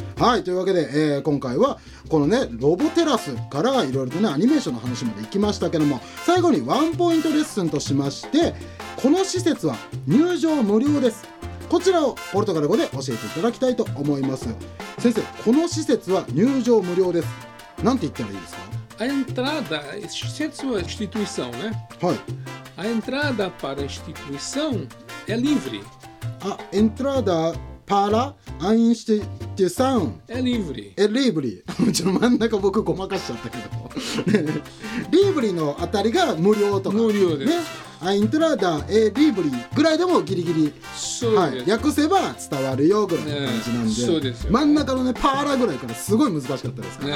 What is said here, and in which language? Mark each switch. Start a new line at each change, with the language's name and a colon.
Japanese: はい、というわけで、今回はこのねロボテラスからいろいろとねアニメーションの話までいきましたけども、最後にワンポイントレッスンとしまして、この施設は入場無料です。こちらをポルトガル語で教えていただきたいと思います。先生、この施設は入場無料です。なんて言ったらいいですか？
Portuguese: A entrada,
Japanese: 施設は
Portuguese: instituição, né?
Japanese: はい。
Portuguese: A entrada para a instituição é livre. A entrada para a instituição é livre. É livre.
Japanese: ちょっと真ん中僕ごまかしちゃったけど。リブリのあたりが無料とか。無料です。
Portuguese: ね、A entrada é livre
Japanese: ぐらいでもギリギリ。そうです。はい。訳せば伝わるよぐらいの感じなんで。ね、そうですよ。真ん中のね、パーラぐらいからすごい難しかったですから。